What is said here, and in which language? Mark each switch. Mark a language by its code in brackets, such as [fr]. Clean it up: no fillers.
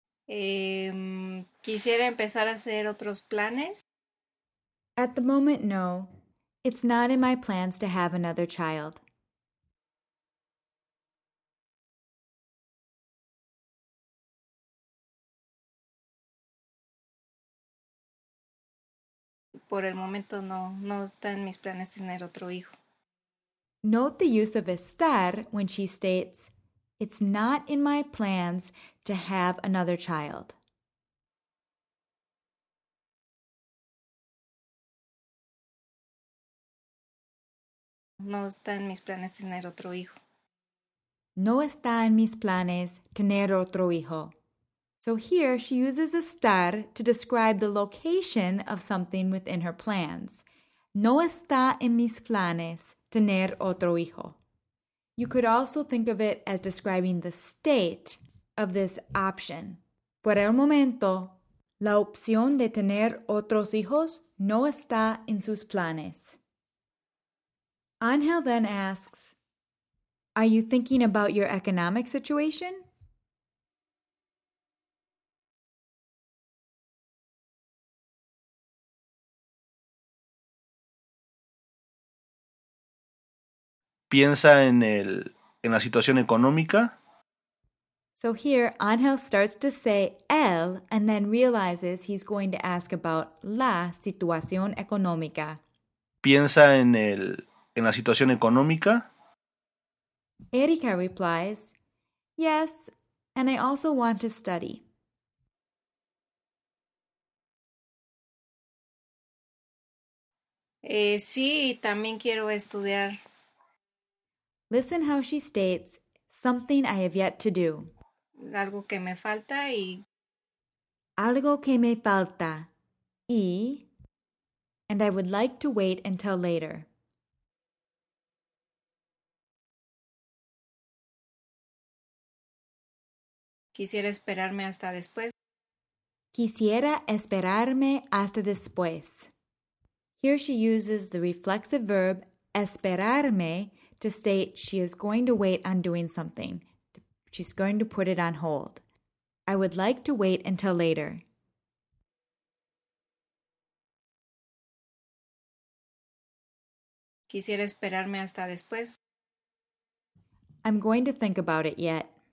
[es] Quisiera empezar a hacer otros planes. [en] At the moment, no. It's not in my plans to have another child. [es] Por el momento no está en mis planes tener otro hijo. [en] Note the use of estar when she states, it's not in my plans to have another child. [es] No está en mis planes tener otro hijo. No está en mis planes tener otro hijo. [en] So here she uses estar to describe the location of something within her plans. [es] No está en mis planes tener otro hijo. [en] You could also think of it as describing the state of this option. [es] Por el momento, la opción de tener otros hijos no está en sus planes. [en] Ángel then asks, are you thinking about your economic situation? [es] Piensa en la situación económica. [en] So here, Ángel starts to say el and then realizes he's going to ask about [es] la situación económica. Piensa en la situación económica. [en] Erika replies, yes, and I also want to study. [es] Sí, también quiero estudiar. [en] Listen how she states, something I have yet to do. [es] Algo que me falta y... Algo que me falta y... [en] And I would like to wait until later. [es] Quisiera esperarme hasta después. Quisiera esperarme hasta después. [en] Here she uses the reflexive verb esperarme to state she is going to wait on doing something. She's going to put it on hold. I would like to wait until later. [es] Quisiera esperarme hasta después. [en] I'm going to think about it yet.